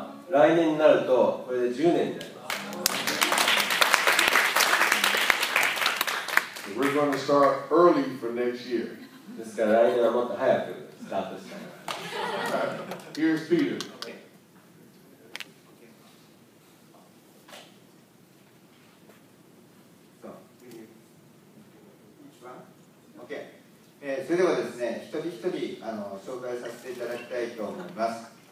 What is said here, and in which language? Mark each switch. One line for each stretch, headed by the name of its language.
Japanese: 来年になるとこれで10年になります。
English: We're going to start early for next year.
Japanese: ですから来年はもっと早くスタートしたい。
English: Here's Peter. Okay.
Japanese: それではですね、一人一人紹介させていただきたいと思います。